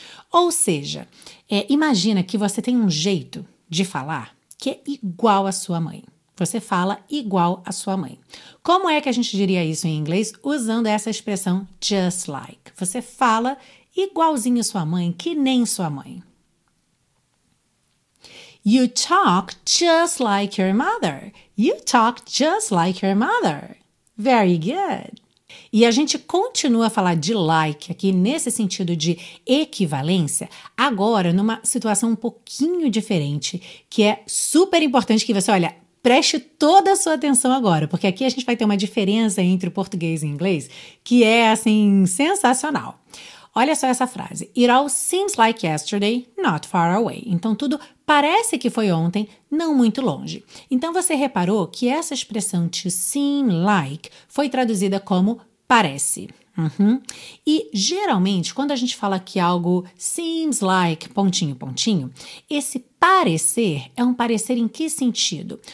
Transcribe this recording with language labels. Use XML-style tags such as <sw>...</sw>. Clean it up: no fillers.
<pt>Ou seja, imagina que você tem um jeito de falar que é igual à sua mãe. Você fala igual à sua mãe. Como é que a gente diria isso em inglês? Usando essa expressão just like. Você fala igualzinho à sua mãe, que nem sua mãe.</pt> <en>You talk just like your mother. You talk just like your mother. Very good.</en> <pt>E a gente continua a falar de like aqui nesse sentido de equivalência, agora numa situação um pouquinho diferente, que é super importante que você, olha, preste toda a sua atenção agora, porque aqui a gente vai ter uma diferença entre o português e o inglês que é, assim, sensacional. Olha só essa frase.</pt> <en>It all seems like yesterday, not far away.</en> <pt>Então, tudo parece que foi ontem, não muito longe. Então, você reparou que essa expressão to seem like foi traduzida como parece. Uhum. E, geralmente, quando a gente fala que algo seems like, pontinho, pontinho, esse parecer é um parecer em que sentido?</pt>